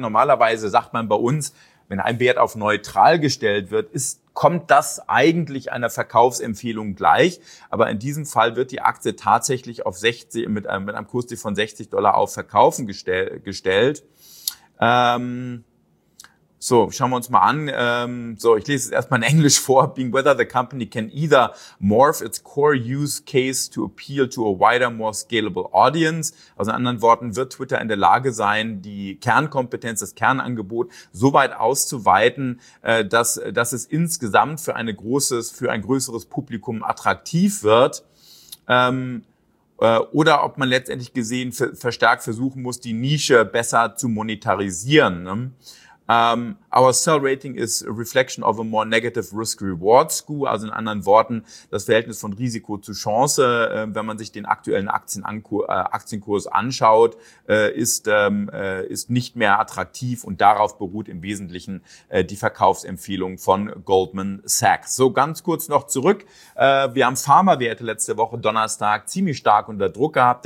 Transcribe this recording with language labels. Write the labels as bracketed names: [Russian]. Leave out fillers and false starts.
[German] Normalerweise sagt man bei uns, wenn ein Wert auf neutral gestellt wird, kommt das eigentlich einer Verkaufsempfehlung gleich. Aber in diesem Fall wird die Aktie tatsächlich auf mit einem Kursziel von $60 auf Verkaufen gestellt. So, schauen wir uns mal an. So, ich lese es erstmal in Englisch vor. [English] Being whether the company can either morph its core use case to appeal to a wider, more scalable audience. [German] Also in anderen Worten, wird Twitter in der Lage sein, die Kernkompetenz, das Kernangebot so weit auszuweiten, dass es insgesamt für ein größeres Publikum attraktiv wird. Oder ob man letztendlich gesehen verstärkt versuchen muss, die Nische besser zu monetarisieren. Ne? [English] Our sell rating is a reflection of a more negative risk-reward skew. [German] Also in anderen Worten, das Verhältnis von Risiko zu Chance, wenn man sich den aktuellen Aktienkurs anschaut, ist nicht mehr attraktiv und darauf beruht im Wesentlichen die Verkaufsempfehlung von Goldman Sachs. So, ganz kurz noch zurück. Wir haben Pharmawerte letzte Woche Donnerstag ziemlich stark unter Druck gehabt.